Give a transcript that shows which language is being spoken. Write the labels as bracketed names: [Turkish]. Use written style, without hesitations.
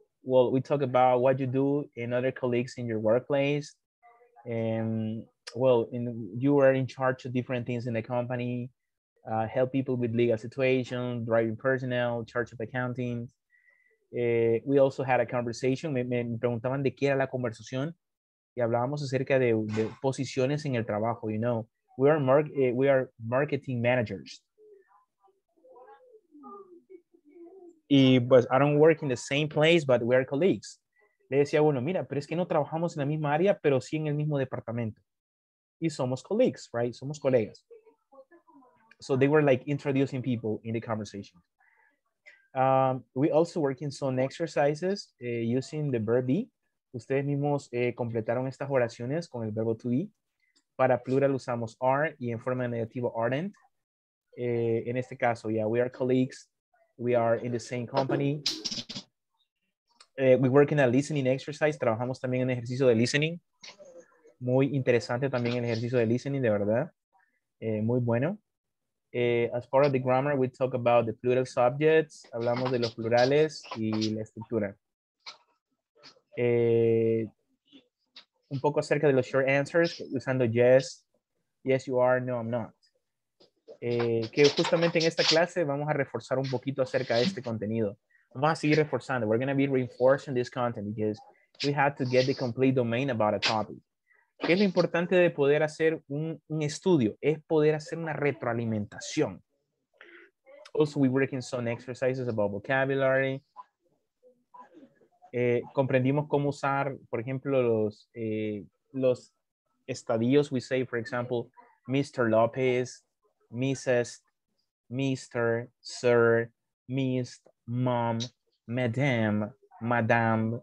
[English] Well, we talk about what you do and other colleagues in your workplace. You are in charge of different things in the company, help people with legal situations, driving personnel, charge of accounting. We also had a conversation. [Spanish] Me preguntaban de qué era la conversación y hablábamos acerca de posiciones en el trabajo. [English] You know, we are marketing managers. [Spanish] Y pues, [English] I don't work in the same place, but we are colleagues. [Spanish] Le decía, bueno, mira, pero es que no trabajamos en la misma área, pero sí en el mismo departamento. Y somos colleagues, right? Somos colegas. [English] So they were like introducing people in the conversation. We also work in some exercises using the verb be. [Spanish] Ustedes mismos completaron estas oraciones con el verbo to be. Para plural usamos are y en forma negativa aren't. En este caso, [English] yeah, we are colleagues. We are in the same company. We work in a listening exercise. [Spanish] Trabajamos también en ejercicio de listening. Muy interesante también el ejercicio de listening, de verdad. Muy bueno. [English] As part of the grammar, we talk about the plural subjects. [Spanish] Hablamos de los plurales y la estructura. Un poco acerca de los short answers, usando yes. [English] Yes, you are. No, I'm not. [Spanish] Que justamente en esta clase vamos a reforzar un poquito acerca de este contenido. Vamos a seguir reforzando. [English] We're going to be reinforcing this content because we have to get the complete domain about a topic. [Spanish] ¿Qué es lo importante de poder hacer un estudio? Es poder hacer una retroalimentación. [English] also we work in some exercises about vocabulary. [Spanish] Comprendimos cómo usar, por ejemplo, los estadios. [English] We say, for example, Mr. Lopez, Mrs., Mr., Sir, Miss, Mom, Madame, Madame.